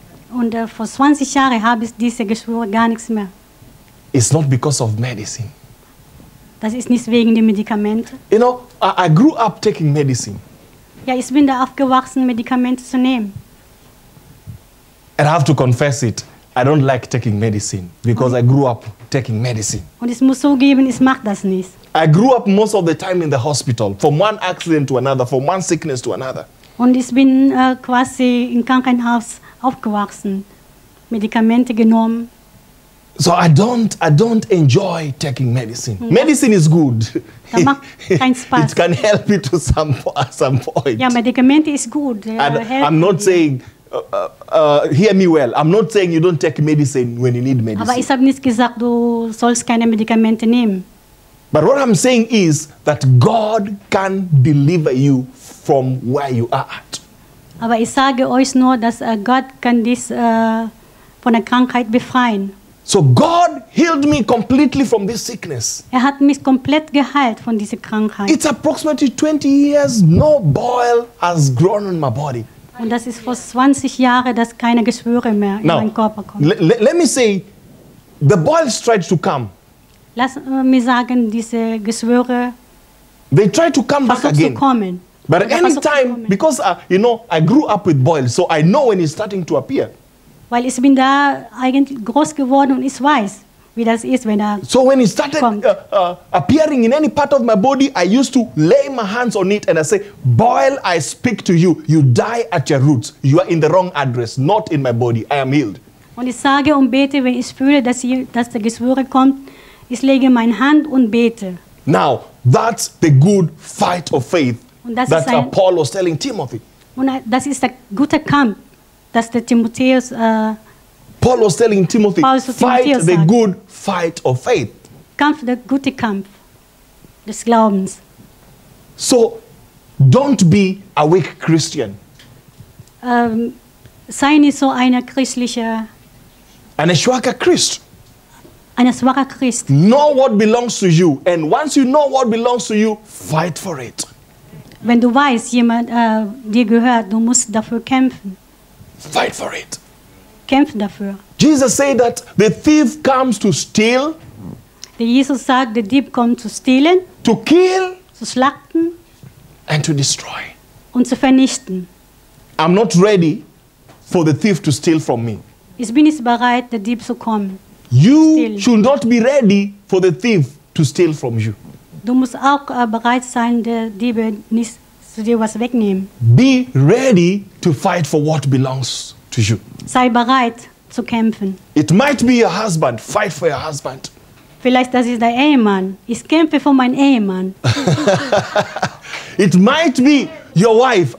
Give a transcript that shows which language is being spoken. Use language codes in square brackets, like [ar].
[de] Und vor 20 Jahren habe ich diese Geschwüre gar nichts mehr. [en] It's not because of medicine. [de] Das ist nicht wegen dem Medikament. [en] You know, I grew up taking medicine. [de] Ja, ich bin da aufgewachsen, Medikamente zu nehmen. [en] And I have to confess it. I don't like taking medicine because I grew up taking medicine. [de] Und ich muss zugeben, ich mag das nicht. [en] I grew up most of the time in the hospital, from one accident to another, from one sickness to another. [de] Und ich bin quasi im Krankenhaus aufgewachsen, Medikamente genommen. [en] So I don't enjoy taking medicine. Mm-hmm. Medicine is good. [de] Das macht keinen Spaß. [en] It can help you to some point. [de] Ja, Medikamente ist gut. [en] I'm not saying, hear me well. I'm not saying you don't take medicine when you need medicine. [de] Aber ich habe nicht gesagt, du sollst keine Medikamente nehmen. [en] But what I'm saying is that God can deliver you from where you are at. [de] Aber ich sage euch nur, dass Gott kann dich von der Krankheit befreien. [en] So God healed me completely from this sickness. [de] Er hat mich komplett geheilt von dieser Krankheit. [en] It's approximately 20 years, no boil has grown on my body. [de] Und das ist vor 20 Jahren, dass keine Geschwüre mehr in meinen Körper kommen. [en] Let me say, the boil tried to come. [de] Lass mir sagen, diese Geschwüre. [en] They try to come back again. [de] Kommen. [en] But any time, because you know, I grew up with boils, so I know when it's starting to appear. [de] Weil ich bin da eigentlich groß geworden und ich weiß, wie das ist, wenn er. [en] So when it started appearing in any part of my body, I used to lay my hands on it and I say, "Boil, I speak to you. You die at your roots. You are in the wrong address, not in my body. I am healed." [de] Und ich sage und bete, wenn ich fühle, dass der Geschwüre kommt, ich lege meine Hand und bete. [en] Now that's the good fight of faith. That Paul was telling Timothy. [de] Und das ist der gute Kampf, dass der Timotheus. [en] Paul was telling Timothy, fight the good fight of faith. [de] Kampf der gute Kampf des Glaubens. [en] So, don't be a weak Christian. [de] Sei nicht so eine christliche. Eine schwache Christ. Eine schwache Christ. [en] Know what belongs to you, and once you know what belongs to you, fight for it. [de] Wenn du weißt, jemand dir gehört, du musst dafür kämpfen. [en] Fight for it. [de] Kämpf dafür. [en] Jesus said that the thief comes to steal. [de] Der Jesus sagt, der Dieb kommt zu stehlen. [en] To kill. [de] Zu schlachten. [en] And to destroy. [de] Und zu vernichten. [en] I'm not ready for the thief to steal from me. [de] Ich bin nicht bereit, der Dieb zu kommen. [en] You should not be ready for the thief to steal from you. [de] Du musst auch bereit sein, der Dieb nicht zu dir was wegnehmen. [en] Be ready to fight for what belongs to you. [de] Sei bereit zu kämpfen. [en] It might be your husband. Fight for your husband. [de] Vielleicht das ist dein Ehemann. Ich kämpfe für meinen Ehemann. [en] It might be your wife.